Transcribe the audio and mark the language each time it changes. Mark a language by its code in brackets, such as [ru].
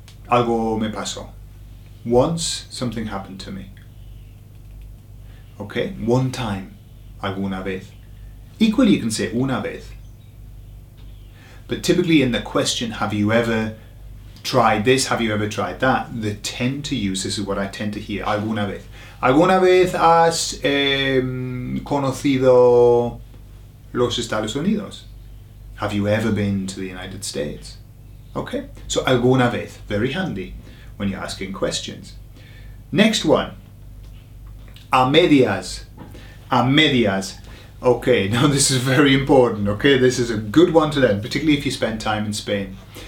[es] Algo me pasó. [en] Once something happened to me. Okay, one time, alguna vez. Equally, you can say una vez. But typically in the question, have you ever tried this? Have you ever tried that? The tend to use, this is what I tend to hear, alguna vez. [es] ¿Alguna vez has conocido los Estados Unidos? [en] Have you ever been to the United States? Okay, so alguna vez, very handy when you're asking questions. Next one, a medias, a medias. Okay, now this is very important, okay? This is a good one to learn, particularly if you spend time in Spain.